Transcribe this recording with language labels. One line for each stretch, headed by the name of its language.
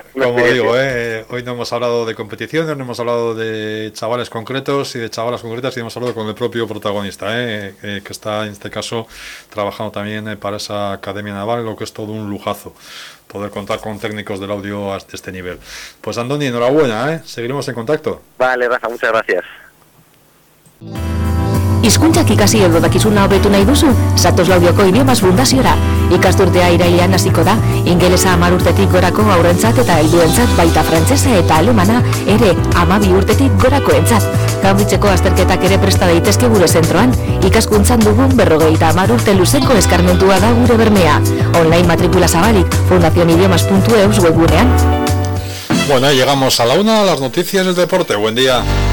Spanish: Como digo, hoy no hemos hablado de competiciones, no hemos hablado de chavales concretos y de chavalas concretas, y hemos hablado con el propio protagonista, que está en este caso trabajando también para esa Academia Naval, lo que es todo un lujazo poder contar con técnicos del audio a este nivel. Pues Andoni, enhorabuena, seguiremos en contacto. Vale, Rafa, muchas gracias.
Basque: Hizkuntzak ikasi edo dakizuna hobetu nahi duzu, Satos Laudioko Idiomas Fundaziora. Ikasturtea irailean hasiko da, ingelesa 10 urtetik gorako haurrentzat eta helduentzat, baita frantsesa eta alemana ere 12 urtetik gorakoentzat. Kanbitzeko azterketak ere presta daitezke gure zentroan, ikaskuntzan dugun 50 urte luzeko eskarmentua da gure bermea. Online matrikula zabalik, fundacionidiomas.eus webgunean.
Spanish: Bueno, llegamos a la 1, las noticias del deporte. Buen día.